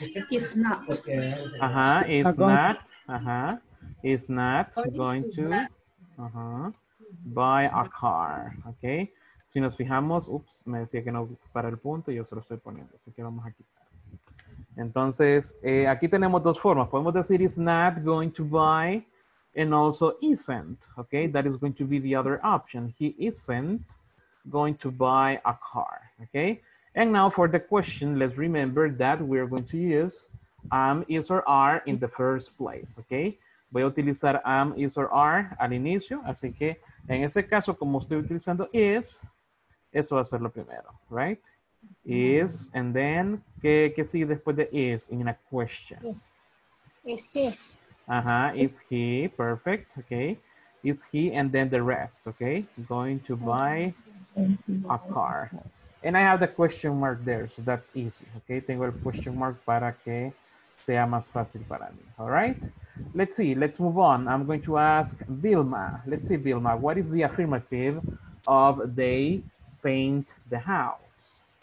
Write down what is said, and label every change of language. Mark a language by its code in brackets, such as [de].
[en] It's not. Ajá, it's not. Ajá. Is not going to buy a car. Ok. [es] Si nos fijamos, ups, me decía que no para el punto, yo se lo estoy poniendo. Así que vamos a quitar. Entonces, aquí tenemos dos formas. Podemos decir [en] is not going to buy and also isn't. Ok. That is going to be the other option. He isn't going to buy a car. Ok. And now for the question, let's remember that we are going to use am, is, or are in the first place. [es] Ok. Voy a utilizar am, is, or are al inicio. Así que en ese caso, como estoy utilizando is, eso va a ser lo primero, right? [en] Is, and then, [es] ¿qué sigue después de [en] is in a question? Is he. Ajá, is he, perfect, okay. Is he, and then the rest, okay. Going to buy a car. And I have the question mark there, so that's easy, okay. [es] Tengo el question mark para que sea más fácil para mí, [en] all right? Let's see, let's move on. I'm going to ask Vilma. Let's see, Vilma, what is the affirmative of they paint the house?